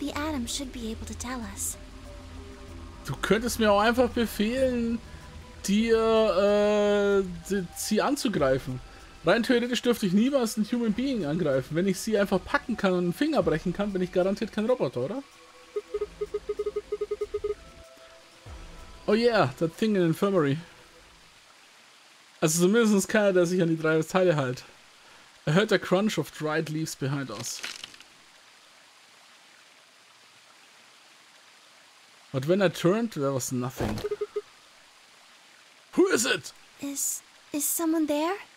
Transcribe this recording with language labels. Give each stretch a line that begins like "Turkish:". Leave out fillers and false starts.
English: The Atom should be able to tell us.
German: Du könntest mir auch einfach befehlen, dir sie anzugreifen. Rein theoretisch dürfte ich niemals ein Human Being angreifen. Wenn ich sie einfach packen kann und einen Finger brechen kann, bin ich garantiert kein Roboter, oder?
English: Oh yeah, that thing in Infirmary.
German: Also zumindest keiner, der sich an die drei Teile hält.
English: I heard the crunch of dried leaves behind us. But when I turned, there was nothing. Who is it? Is someone there?